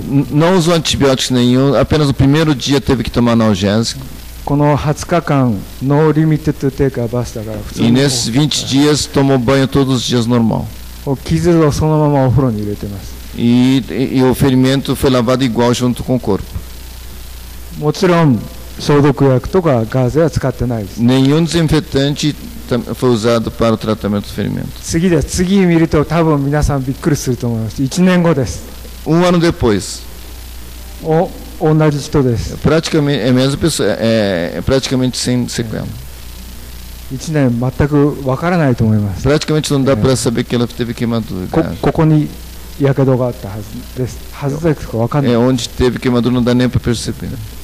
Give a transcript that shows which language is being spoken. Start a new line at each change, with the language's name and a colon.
Portuguese: Não usou antibiótico nenhum, apenas o primeiro dia teve que tomar analgésico.
Japanese: この20日間ノーリミテッドテイクバスだから普通に。
Portuguese: Ines 20 dias tomou banho todos os dias normal。
Japanese: お傷をそのままお風呂に入れてます。
Portuguese: E o ferimento foi lavado igual junto com o corpo。
Japanese: もちろん消毒薬とかガーゼは使ってないです。
Portuguese: Nenhum desinfetante foi usado para o tratamento do ferimento。
Japanese: 次です。次見ると多分皆さんびっくりすると思います。 1年後です。
Portuguese: Um ano depois。
Japanese: お同じ人です。
Portuguese: Praticamente, é mesmo pessoa, é, praticamente sem sequela.
Japanese: 1年全く分からないと思います。
Portuguese: Praticamente não dá para saber que ela teve queimadura.
Japanese: ここに火傷があったはずです。はずですか分かんない。
Portuguese: Onde teve queimadura não dá nem para perceber.